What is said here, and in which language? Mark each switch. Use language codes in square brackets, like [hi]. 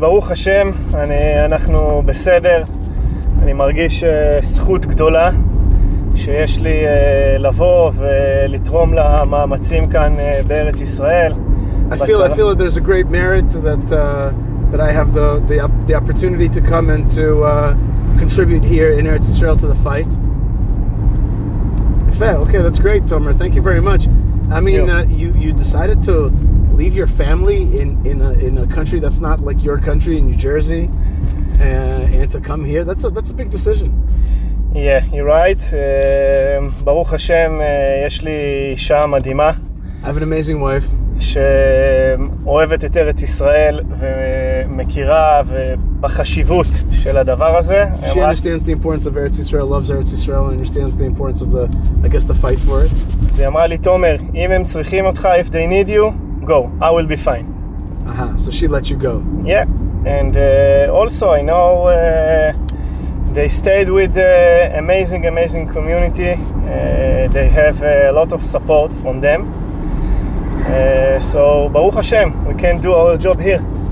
[he] Baruch Hashem, אנחנו בסדר. אני מרגיש זכות גדולה שיש לי לבוא ולתרום למאמצים כאן בארץ ישראל. [en] I feel that there's a great merit that that I have the opportunity to come and to contribute here in Eretz Israel to the fight. Okay, that's great, Tomer. Thank you very much. I mean, you decided to leave your family in a country that's not like your country in New Jersey, and to come here. That's a big decision. Yeah, you're right. [he] Baruch Hashem, יש לי אישה מדהימה. [en] I have an amazing wife. [he] שאוהבת את ארץ ישראל ומכירה ובחשיבות של הדבר הזה. [en] She understands the importance of Eretz Israel, loves Eretz Israel, and understands the importance of the fight for it. [he] אז היא אמרה לי, תומר, אם הם צריכים אותך, [en] if they need you, go. I will be fine. Aha, so she let you go. Yeah, and also I know they stayed with the amazing, amazing community. They have a lot of support from them. So Baruch Hashem, we can do our job here.